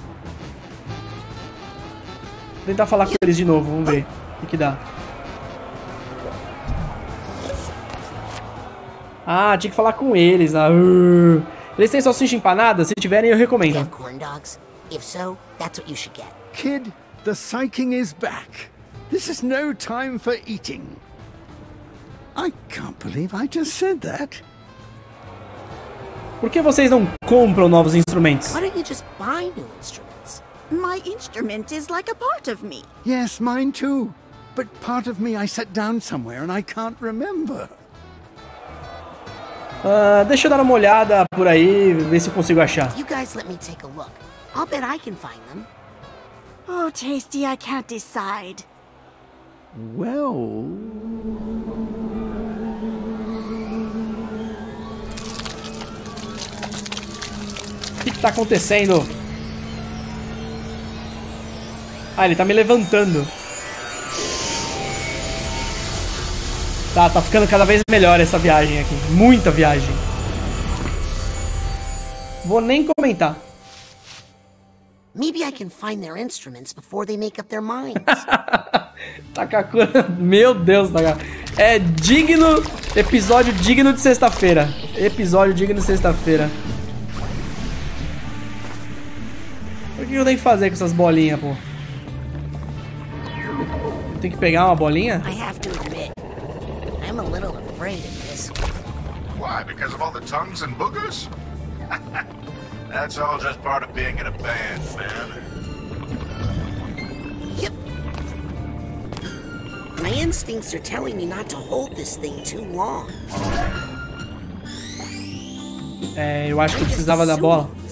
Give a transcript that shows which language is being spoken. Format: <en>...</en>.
<pt>Vou tentar falar com eles de novo. Vamos ver o que dá. Ah, tinha que falar com eles. Ah, eles têm salsicha empanada? Se tiverem, eu recomendo.</pt> <en>Corn dogs. If so, that's what you should get. Kid, the Psy King is back. This is no time for eating. I can't believe I just said that.</en> <pt>Por que vocês não compram novos instrumentos?</pt> <en>Why don't you just buy new instruments? My instrument is like a part of me. Yes, mine too. But part of me I set down somewhere and I can't remember.</en> <pt>Deixa eu dar uma olhada por aí, ver se eu consigo achar.</pt> <en>You guys let me take a look. I'll bet I can find them. Oh, Tasty, I can't decide. Well...</en> <pt>O que tá acontecendo? Ah, ele tá me levantando. Tá ficando cada vez melhor essa viagem aqui. Muita viagem. Vou nem comentar.</pt> <en>Maybe I can find their instruments before they make up their minds.</en> <pt>Takakura, meu Deus, Takakura. É digno. Episódio digno de sexta-feira. Episódio digno de sexta-feira. O que eu tenho que fazer com essas bolinhas, pô? Tem que pegar uma bolinha?</pt> <en>I have to admit, I'm a little afraid of this. Why? Because of all the tongues and boogers? That's all just part of being in a band, man. Yep. Man, instincts are telling me not to hold this thing too long.</en> <pt>É, eu acho que eu precisava da bola.</pt>